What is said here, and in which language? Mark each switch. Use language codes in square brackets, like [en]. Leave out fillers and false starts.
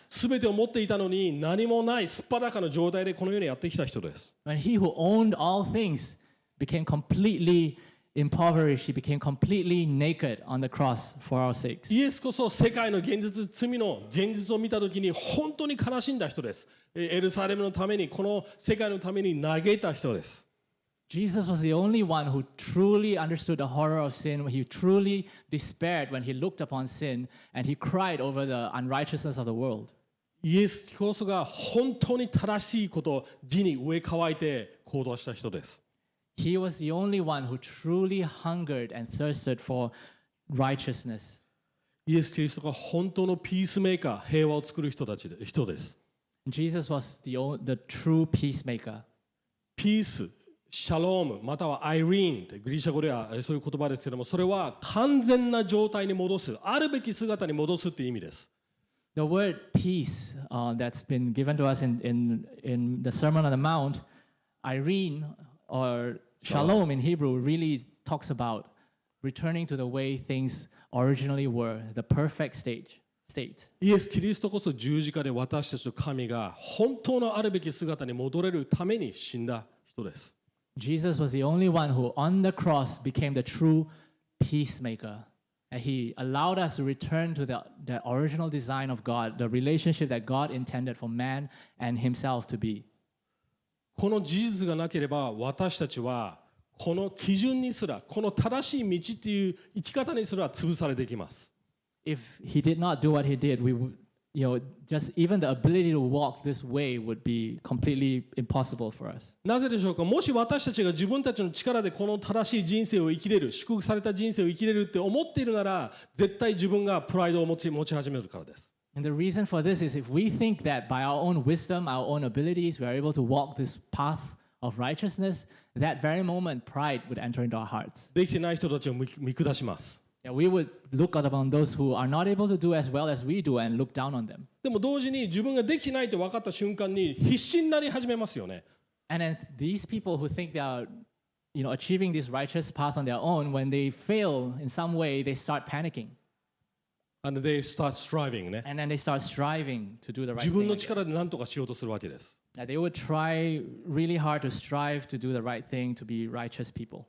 [ja] 全てを持っていたのに何もないすっぱだかの状態でこの世にやってきた人です。 [en] When he who owned all things became completely impoverished, he became completely naked on the cross for our sakes. [ja] イエスこそ世界の現実、罪の現実を見たときに本当に悲しんだ人です。エルサレムのために、この世界のために嘆いた人です。 [en] Jesus was the only one who truly understood the horror of sin. He truly despaired when he looked upon sin and he cried over the unrighteousness of the world. [ja] イエスこそが本当に正しいこと、地に上乾いて行動した人です。 [en] He was the only one who truly hungered and thirsted for righteousness. [ja] イエス・キリストが本当のピースメーカー、平和を作る人です。 [en] Jesus was the true peacemaker. [ja] ピース。シャローム、またはアイリーンってグリシャ語ではそういう言葉ですけども、それは完全な状態に戻す、あるべき姿に戻すっていう意味です。 [en] The word peace, that's been given to us in the Sermon on the Mount, Irene or Shalom in Hebrew really talks about returning to the way things originally were, the perfect state. [ja] イエス・キリストこそ十字架で私たちの神が本当のあるべき姿に戻れるために死んだ人です。 [en] Jesus was the only one who on the cross became the true peacemaker. And he allowed us to return to the original design of God, the relationship that God intended for man and himself to be. [ja] この事実がなければ私たちはこの基準にすら、この正しい道という生き方にすら潰されていきます。 [en] If he did not do what he did, we would, you know, just even the ability to walk this way would be completely impossible for us. [ja] なぜでしょうか。もし私たちが自分たちの力でこの正しい人生を生きれる、祝福された人生を生きれるって思っているなら、絶対自分がプライドを持ち始めるからです。 [en] And the reason for this is if we think that by our own wisdom, our own abilities, we are able to walk this path of righteousness, that very moment pride would enter into our hearts. [ja] できてない人たちを見下します。 [en] Yeah, we would look upon those who are not able to do as well as we do and look down on them. [ja] でも同時に自分ができないと分かった瞬間に必死になり始めますよね。 [en] And then these people who think they are, you know, achieving this righteous path on their own, when they fail in some way, they start panicking. And they start striving, ね。 And then they start striving to do the right thing. [ja] 自分の力で何とかしようとするわけです。 [en] Yeah, they would try really hard to strive to do the right thing, to be righteous people.